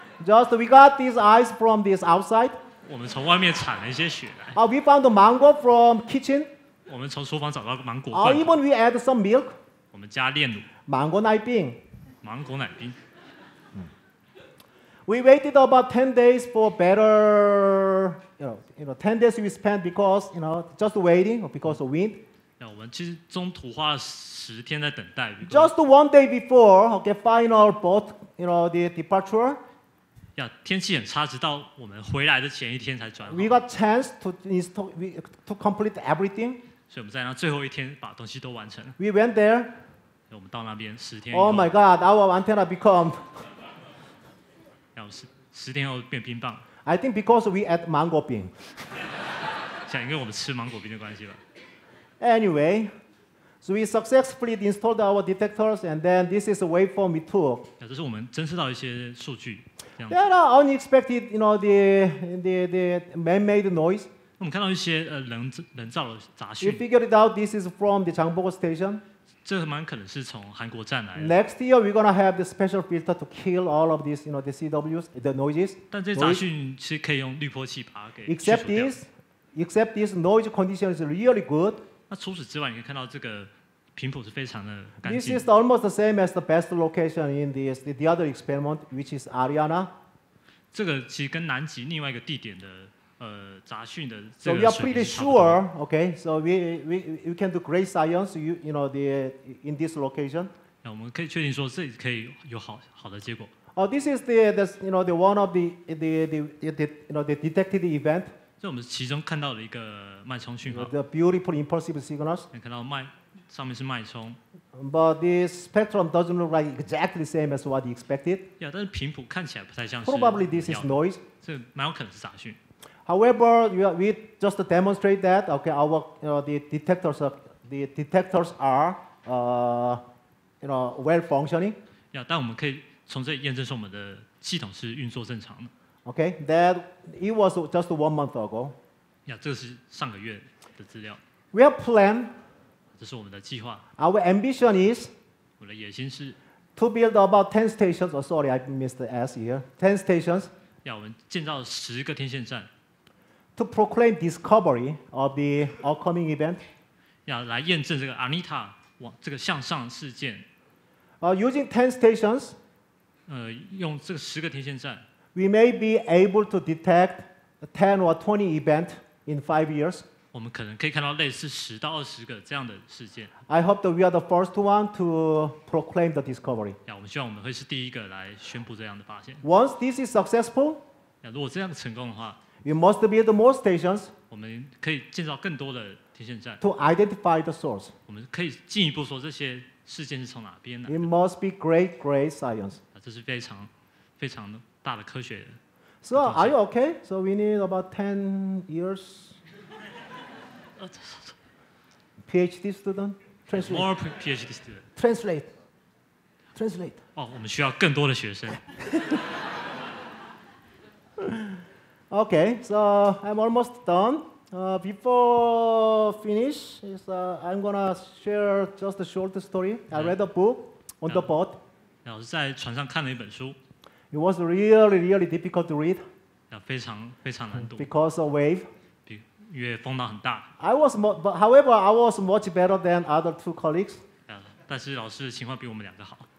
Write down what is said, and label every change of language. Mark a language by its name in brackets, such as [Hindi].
[English] Just we got these ice from this outside. [Chinese] 我们从外面铲了一些雪来。 [English] We found the mango from kitchen. [Chinese] 我们从厨房找到芒果罐。 [English] Even we add some milk. [Chinese] 我们加炼乳。 Mango 奶冰。芒果 奶冰。 [English] We waited about 10 days for better, 10 days we spent because, just waiting because of wind. [Chinese] 我们其实中途花了10天在等待。 [English] Just one day before, final boat, the departure. [Chinese] 天气很差，直到我们回来的前一天才转好。 [English] We got chance to install, to complete everything. [Chinese] 所以我们在那最后一天把东西都完成了。 [English] We went there. [Chinese] 我们到那边10天以后。 [English] Oh my God, our antenna become. [Chinese] 10天后变冰棒。 [English] I think because we ate mango bean. [Chinese] 想因为我们吃芒果冰的关系吧。 [English] Anyway, so we successfully installed our detectors, and then this is a waveform we took. [Chinese] 这是我们侦测到一些数据。 [English] There are unexpected, the man-made noise. [Chinese] 我们看到一些人造的杂讯。 [English] We figured out this is from the Changbuk station. [Chinese] 这蛮可能是从韩国站来的。 [English] Next year, we're gonna have the special filter to kill all of these, the CWs, the noises. [Chinese] 但这些杂讯是可以用滤波器把它给去除掉。 [English] Except this noise condition is really good. [Chinese] 那除此之外，你可以看到这个频谱是非常的干净。 [English] This is almost the same as the best location in the other experiment, which is ARIANNA. [Chinese] 这个其实跟南极另外一个地点的。杂讯的。 [English] So we are pretty sure, okay? So we can do great science, you know, the in this location. [Chinese] 那我们可以确定说这里可以有好的结果。 [English] Oh, this is the you know the one of the you know the detected event. [Chinese] 这我们其中看到了一个脉冲讯号。 [English] The beautiful impulsive signals. [Chinese] 你看到脉上面是脉冲。 [English] But this spectrum doesn't look like exactly the same as what you expected. [Chinese] Yeah, 但是频谱看起来不太像是。 [English] Probably this is noise. [Chinese] 这蛮有可能是杂讯。 [English] However, we just demonstrate that okay, our you know the detectors are you know well functioning. [Chinese] Yeah, 但我们可以从这里验证说我们的系统是运作正常的。 [English] Okay, that it was just 1 month ago. [Chinese] Yeah, 这个是上个月的资料。 [English] We have plan. [Chinese] 这是我们的计划。 [English] Our ambition is. [Chinese] 我的野心是。 [English] To build about 10 stations. Oh, sorry, I missed the S here. 10 stations. [Chinese] Yeah, 我们建造十个天线站。 [English] To proclaim discovery of the upcoming event. [Chinese] Yeah, 来验证这个 ANITA 往这个向上事件。 [English] Using 10 stations. [Chinese] 用这个十个天线站 [English] ，We may be able to detect 10 or 20 events in 5 years. [Chinese] 我们可能可以看到类似10到20个这样的事件。 [English] I hope that we are the first one to proclaim the discovery. [Chinese] 我们希望我们会是第一个来宣布这样的发现。 [English] Once this is successful, [Chinese] 如果这样成功的话 [English] ，We must build more stations. [Chinese] 我们可以建造更多的天线站。 [English] To identify the source. [Chinese] 我们可以进一步说这些事件是从哪边来的。 [English] It must be great, great science. [Chinese] 这是非常非常大的科学的。 [English] So are you okay? So we need about 10 years. PhD student, translate. More PhD student. Translate. [Chinese] 哦，我们需要更多的学生。 [English] Okay, so I'm almost done. Before finish, I'm gonna share just a short story. I read a book on the boat. [Chinese] 然后在船上看了一本书。 [English] It was really, really difficult to read. [Chinese] 非常非常难读。 [English] Because of wave. [Chinese] 因为风浪很大。 [English] I was however, I was much better than other two colleagues. [Chinese] 但是老师的情况比我们两个好。